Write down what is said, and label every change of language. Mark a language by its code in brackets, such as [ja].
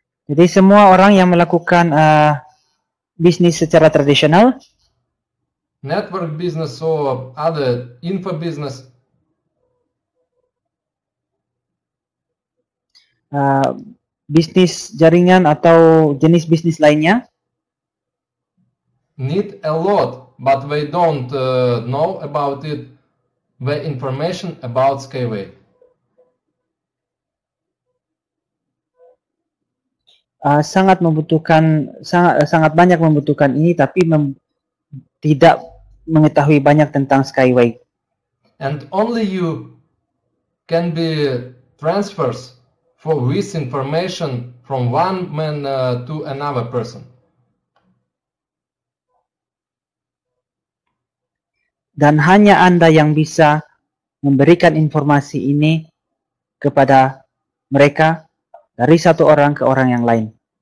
[id] Jadi semua orang yang melakukan bisnis secara tradisional. [en] Network business or other info business. [id] Bisnis jaringan atau jenis bisnis lainnya. [en] need a lot, but we don't know about it, the information about Skyway. [id] Sangat membutuhkan sangat banyak membutuhkan ini tapi tidak mengetahui banyak tentang Skyway. [en] And only you can be transfers for this information from one man to another person. [id] Dan hanya Anda yang bisa memberikan informasi ini kepada mereka dari satu orang ke orang yang lain.